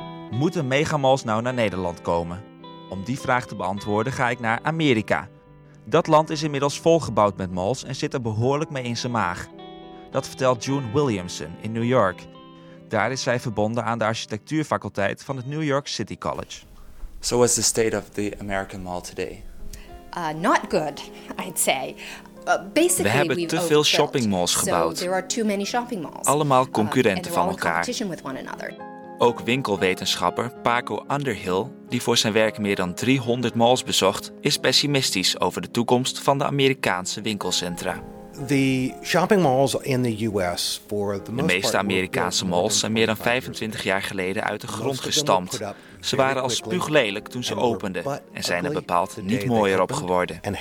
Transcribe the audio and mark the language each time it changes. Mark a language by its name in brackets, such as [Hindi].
[Dutch] Moeten megamalls nou naar Nederland komen? Om die vraag te beantwoorden ga ik naar Amerika. Dat land is inmiddels volgebouwd met malls en zit er behoorlijk mee in zijn maag. Dat vertelt June Williamson in New York. Daar is zij verbonden aan de architectuurfaculteit van het New York City College. [English] So what's the state of the American mall today? Not good, I'd say. Basically, [Dutch] we hebben te veel shoppingmalls gebouwd. [English] So there are too many shopping malls. [Dutch] Allemaal concurrenten [English] and [Dutch] van elkaar. [English] Competition with one another. [Dutch] Ook winkelwetenschapper Paco Underhill, die voor zijn werk meer dan 300 malls bezocht, is pessimistisch over de toekomst van de Amerikaanse winkelcentra. [English] The shopping malls in the US for the [Dutch] most de meeste Amerikaanse malls zijn meer dan 25 jaar geleden uit de grond gestampt. Ze waren al spuug lelijk toen ze openden en zijn er bepaald niet mooier op geworden.